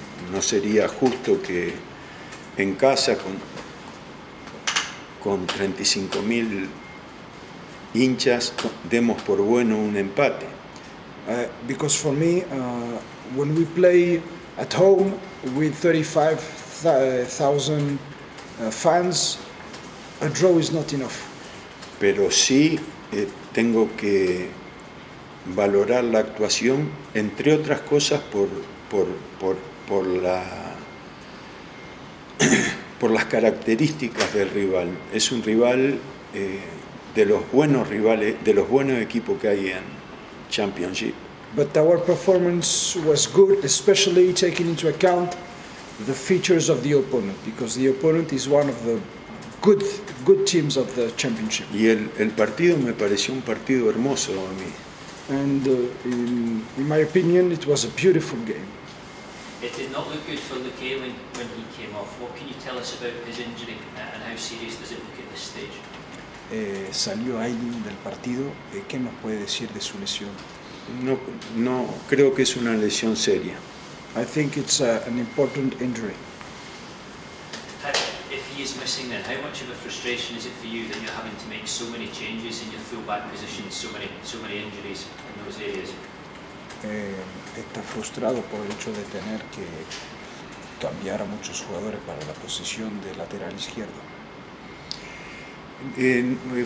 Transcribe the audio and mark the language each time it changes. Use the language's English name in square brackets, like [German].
[Spanish] No sería justo que en casa con 35,000 hinchas demos por bueno un empate. [English] Because for me, when we play at home with 35,000 fans, a draw is not enough. [Spanish] Pero sí tengo que valorar la actuación, entre otras cosas, por las características del rival. Es un rival de los buenos rivales, de los buenos equipos que hay en Championship. [English] But our performance was good, especially taking into account the features of the opponent, because the opponent is one of the good teams of the Championship. [Spanish] Y el partido me pareció un partido hermoso a mí. [English] And in my opinion, it was a beautiful game. It did not look good for Luque when he came off. What can you tell us about his injury and how serious does it look at this stage? [Spanish] Salió Aileen del partido. ¿Qué nos puede decir de su lesión? No, creo que es una lesión seria. [English] I think it's an important injury. If he is missing, then how much of a frustration is it for you that you're having to make so many changes in your full-back position, so many injuries in those areas? [Spanish] Está frustrado por el hecho de tener que cambiar a muchos jugadores para la posición de lateral izquierdo.